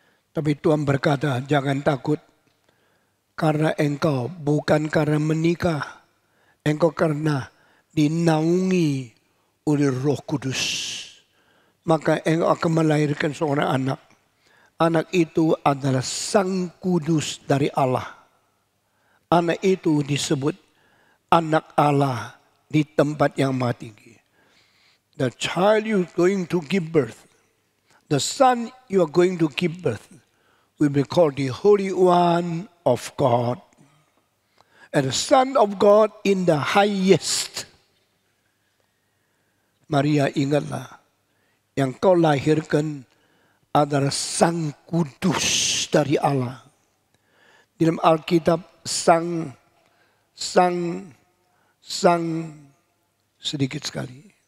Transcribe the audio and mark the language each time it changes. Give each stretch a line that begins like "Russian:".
Indonesian: Tapi Tuhan berkata, jangan takut karena engkau bukan karena menikah, engkau karena dinaungi oleh Roh Kudus. Maka engkau akan melahirkan seorang anak. Anak itu adalah Sang Kudus dari Allah. Anak itu disebut anak Allah di tempat yang Maha Tinggi.
English: The child you are going to give birth, the son you are going to give birth, will be called the Holy One of God. And the Son of God in the highest.
Indonesian: Maria, ingatlah, yang kau lahirkan adalah Sang Kudus dari Allah. Di dalam Alkitab, sang sedikit sekali.